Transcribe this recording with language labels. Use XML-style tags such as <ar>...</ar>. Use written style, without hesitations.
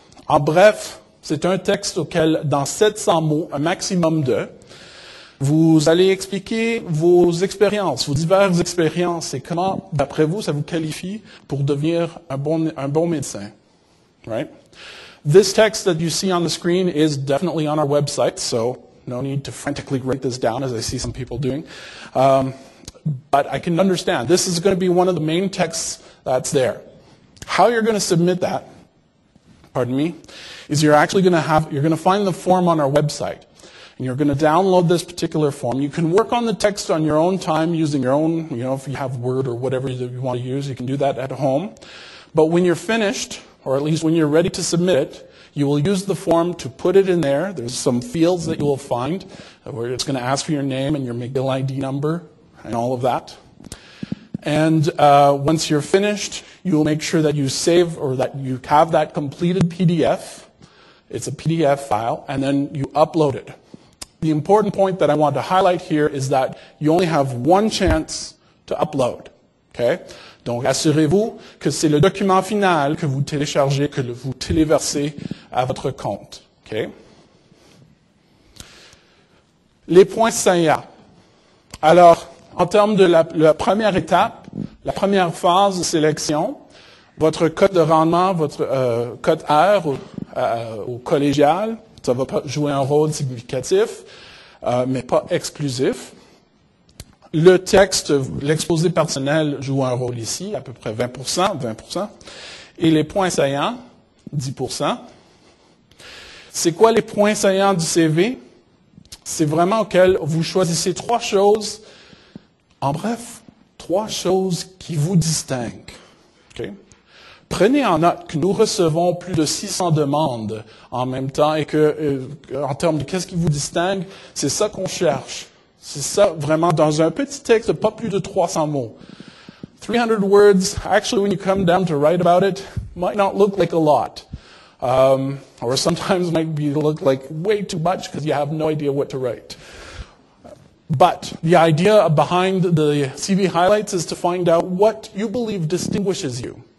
<fr>En bref, c'est un texte auquel, dans 700 mots, un maximum de, vous allez expliquer vos expériences, vos diverses expériences, et comment, d'après vous, ça vous qualifie pour devenir un bon médecin.</fr> <en>Right? This text that you see on the screen is definitely on our website, so no need to frantically write this down, as I see some people doing. But I can understand. This is going to be one of the main texts that's there. How you're going to submit that, pardon me, is you're going to find the form on our website, and you're going to download this particular form. You can work on the text on your own time using your own, you know, if you have Word or whatever you want to use, you can do that at home. But when you're finished, or at least when you're ready to submit it, you will use the form to put it in there. There's some fields that you will find where it's going to ask for your name and your McGill ID number and all of that. And once you're finished, you'll make sure that you save or that you have that completed PDF. It's a PDF file, and then you upload it. The important point that I want to highlight here is that you only have one chance to upload. Okay?</en> <fr>Donc, assurez-vous que c'est le document final que vous téléchargez, que vous téléversez à votre compte. Okay? Les points saillants. Alors, en termes de la première étape, la première phase de sélection, votre code de rendement, votre code R au collégial, ça va pas jouer un rôle significatif, mais pas exclusif. Le texte, l'exposé personnel joue un rôle ici, à peu près 20%, et les points saillants, 10%. C'est quoi les points saillants du CV? C'est vraiment auquel vous choisissez trois choses. En bref, trois choses qui vous distinguent. Okay? prenez en note que nous recevons plus de 600 demandes en même temps et que, en termes de qu'est-ce qui vous distingue, c'est ça qu'on cherche. C'est ça, vraiment, dans un petit texte, pas plus de 300 mots.</fr> <en>300 words, actually, when you come down to write about it, might not look like a lot. Or sometimes might be look like way too much because you have no idea what to write. But the idea behind the CV highlights is to find out what you believe distinguishes you.</en>